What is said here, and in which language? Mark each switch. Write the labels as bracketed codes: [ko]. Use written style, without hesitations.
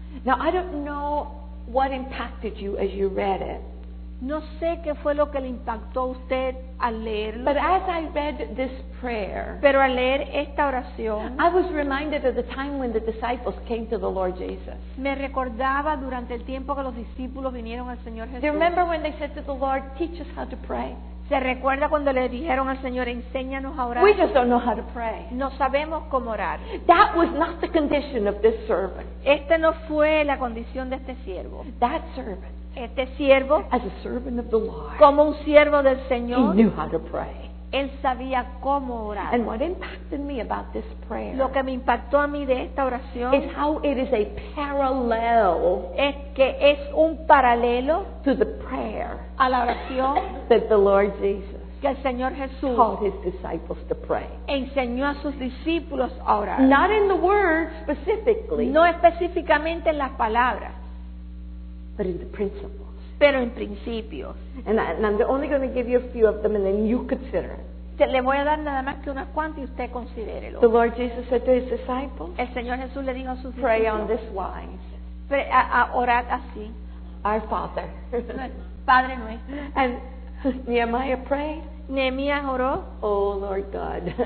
[en] Now I don't know what impacted you as you read it. [es] No sé qué fue lo que le impactó a usted al leerlo. [en] But as I read this prayer. [es] Pero al leer esta oración. [en] I was reminded of the time when the disciples came to the Lord Jesus. [es] Me recordaba durante el tiempo que los discípulos vinieron al Señor Jesús. [en] Do you remember when they said to the Lord, "Teach us how to pray"? [es] ¿Se recuerda cuando le dijeron al Señor, "Enséñanos a orar"? [en] We just don't know how to pray. [es] No sabemos cómo orar. [en] That was not the condition of this servant. [es] Esta no fue la condición de este siervo. [en] That servant. [es] Este siervo, [en] as a servant of the Lord, [es] como un siervo del Señor, [en] he knew how to pray. [es] Él sabía cómo orar. [en] And what impacted me about this prayer, [es] lo que me impactó a mí de esta oración, [en] is how it is a parallel, [es] es que es un paralelo, [en] to the prayer, [es] a la oración, [en] that the Lord Jesus, [es] que el Señor Jesús, [en] taught his disciples to pray, [es] enseñó a sus discípulos a orar, [en] not in the words specifically, [es] no específicamente en las palabras. [en] But in the principles. [es] Pero en principios. [en] And I'm only going to give you a few of them, and then you consider it. [es] Le voy a dar nada más que unas cuantas y usted considérelo. [en] The Lord Jesus said to his disciples. [es] El Señor Jesús le dijo a sus discípulos. [en] Pray on this wise. [es] Pray, orad así. [en] Our Father. [es] Padre nuestro. [en] And Nehemiah prayed. [es] Nehemiah oró. [en] Oh Lord God.